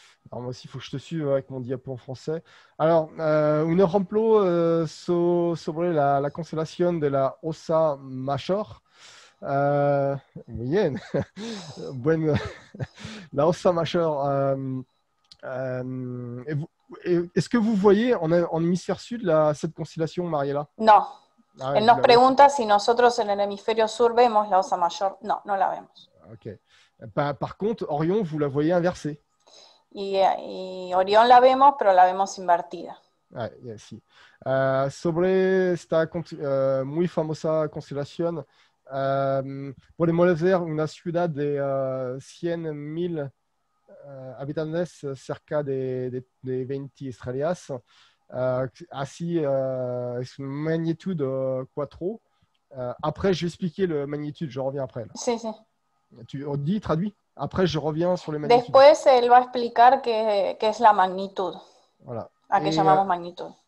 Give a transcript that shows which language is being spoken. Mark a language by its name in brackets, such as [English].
[French] Alors moi aussi, il faut que je te suive avec mon diapo en français. [Spanish] Alors, un ejemplo sobre la constellation de la Osa Major. Bien. Bueno, la Osa Major. [French] Est-ce que vous voyez en hémisphère sud cette constellation, Mariela? Non. Elle nous demande si nous, en hémisphère sud, [Spanish] vemos la Osa Major. [French] Non, nous ne la vemos. Ok. Par contre, Orion, vous la voyez inversée. [Spanish] Y Orión la vemos, pero la vemos invertida. Ah, yeah, sí. Sobre esta muy famosa constelación, podemos ver una ciudad de 100.000 habitantes cerca de 20 estrellas. Así es una magnitud 4. [French] Après, je vais expliquer la magnitude, je reviens après. Là. [Spanish] Sí, sí. [French] Tu dis, traduis. Après, je reviens sur les magnitudes. [Spanish] Después, él va a explicar qué es la magnitud. [French] Voilà. [Spanish] A qué llamamos magnitud.